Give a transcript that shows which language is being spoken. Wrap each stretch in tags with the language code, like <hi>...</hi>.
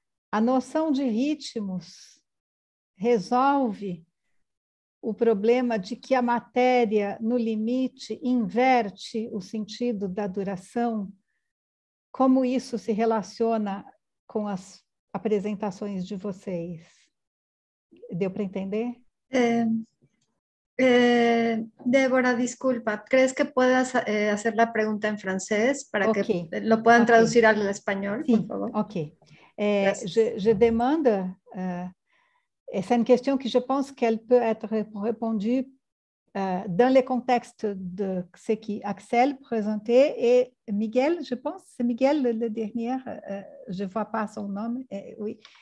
<pt>A noção de ritmos resolve o problema de que a matéria, no limite, inverte o sentido da duração? Como isso se relaciona com as apresentações de vocês? Deu para entender?</pt> <es>Débora, desculpa, ¿crees que puedas hacer la pregunta en francés para okay. que lo puedan okay. traducir al español, sí. por favor?</es> <en>Ok.</en> <fr>Je demande, c'est une question que je pense qu'elle peut être répondue dans le contexte de ce qui Axel présentait et Miguel, je pense, c'est Miguel le dernier, je ne vois pas son nom, oui.</fr>